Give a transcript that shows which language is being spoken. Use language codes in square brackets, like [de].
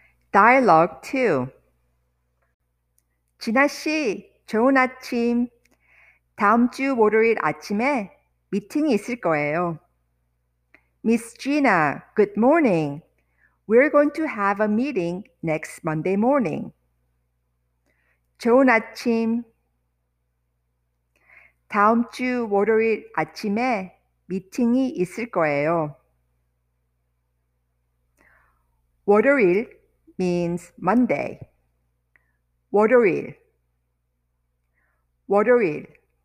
[ko] 다이얼로그 2. 진아 씨, 좋은 아침. 다음 주 월요일 아침에 미팅이 있을 거예요. [en] Miss Gina, good morning. We're going to have a meeting next Monday morning. [ko] 좋은 아침. 다음 주 월요일 아침에 미팅이 있을 거예요. [en] 월요일 means Monday. [ko] 월요일. 월요일.